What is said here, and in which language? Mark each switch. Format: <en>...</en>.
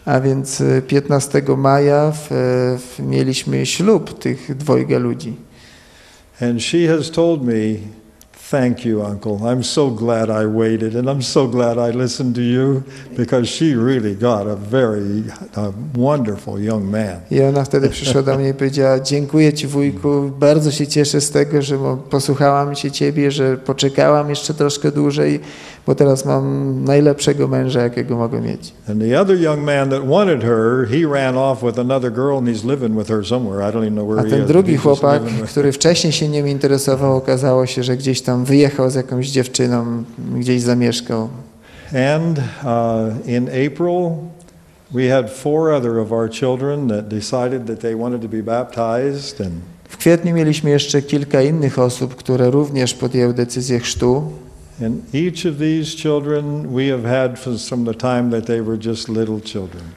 <pl>A więc 15 maja mieliśmy ślub tych dwojga ludzi.</pl> <en>And she has told me Thank you, Uncle. I'm so glad I waited, and I'm so glad I listened to you, because she really got a very wonderful young man.</en> <pl>I ona wtedy przyszła do mnie i powiedziała: dziękuję ci, wujku, bardzo się cieszę z tego, że posłuchałam się ciebie, że poczekałam jeszcze troszkę dłużej, bo teraz mam najlepszego męża, jakiego mogę mieć.</pl> <en>And the other young man that wanted her, he ran off with another girl, and he's living with her somewhere. I don't even know where he is.</en> <pl>A ten drugi chłopak, który wcześniej się nim interesował, okazało się, że gdzieś tam wyjechał z jakąś dziewczyną, gdzieś zamieszkał.</pl> <en>And in April, we had four other of our children that decided that they wanted to be baptized. And</en> <pl>w kwietniu mieliśmy jeszcze kilka innych osób, które również podjęły decyzję chrztu.</pl> <en>And each of these children we have had from the time that they were just little children.</en>